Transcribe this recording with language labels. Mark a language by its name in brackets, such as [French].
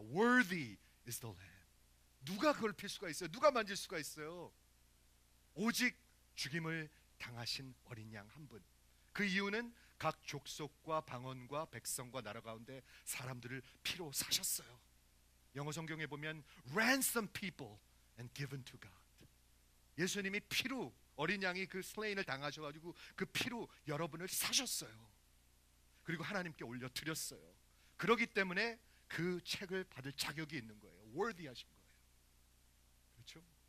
[English] Worthy is the Lamb. [Korean] 누가 그걸 필 수가 있어요? 누가 만질 수가 있어요? 오직 죽임을 당하신 어린 양 한 분. 그 이유는 각 족속과 방언과 백성과 나라 가운데 사람들을 피로 사셨어요. 영어 성경에 보면 [English] ransom people and given to God. [Korean] 예수님이 피로 어린 양이 그 슬레인을 당하셔가지고 그 피로 여러분을 사셨어요. 그리고 하나님께 올려드렸어요. 그러기 때문에 그 책을 받을 자격이 있는 거예요. worthy 하신 거예요. 그렇죠?